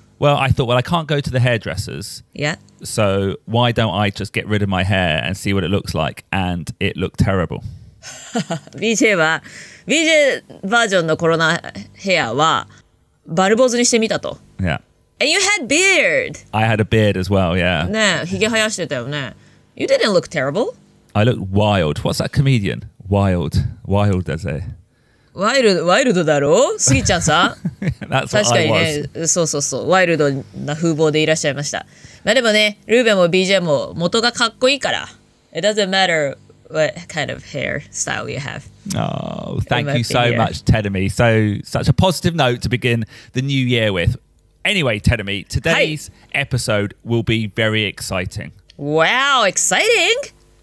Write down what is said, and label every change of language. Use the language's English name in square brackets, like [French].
[English] Well, I thought, well, I can't go to the hairdressers. Yeah. So why don't I just get rid of my hair and see what it looks like? And it looked terrible. [Japanese] BJ バージョンのコロナヘアはバルボーズにしてみたと。 [English] Yeah. And you had beard. I had a beard as well, yeah. [Japanese] ねえ、ひげ生やしてたよね。 [English] You didn't look terrible. I looked wild. What's that comedian? Wild. Wild, does it? [Japanese] ワイルド、ワイルドだろう、スギちゃんさん。 [English] That's [Japanese] what 確かにね、そうそうそう、ワイルドな風貌でいらっしゃいました。まあでもね、ルーベも BJ も元がかっこいいから。 [English] It doesn't matter what kind of hairstyle you have. Oh, thank you so much, Terumi. So, such a positive note to begin the new year with. Anyway, Terumi, today's episode will be very exciting. Wow, exciting!